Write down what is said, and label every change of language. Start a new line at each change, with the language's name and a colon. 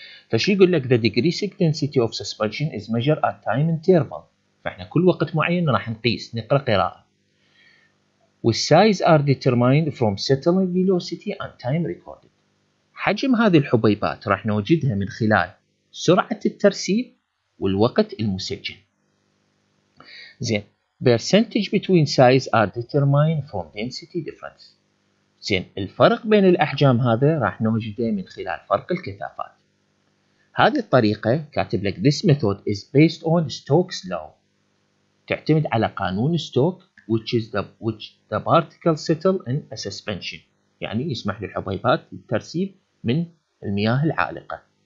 Arabic: فشي يقول لك
English: The decreasing density of suspension is measured at time interval،
Arabic: فإحنا كل وقت معين راح نقيس نقرأ قراءة.
English: والsize are determined from settling velocity and time recorded،
Arabic: حجم هذه الحبيبات راح نوجدها من خلال سرعة الترسيب والوقت المسجل.
English: زين، percentage between size are determined from density difference.
Arabic: زين، الفرق بين الأحجام هذا راح نوجده من خلال فرق الكثافات. هذه الطريقة كاتب لك
English: this method is based on Stokes law،
Arabic: تعتمد على قانون ستوك،
English: which the particle settle in a suspension،
Arabic: يعني يسمح للحبيبات الترسيب من المياه العالقة.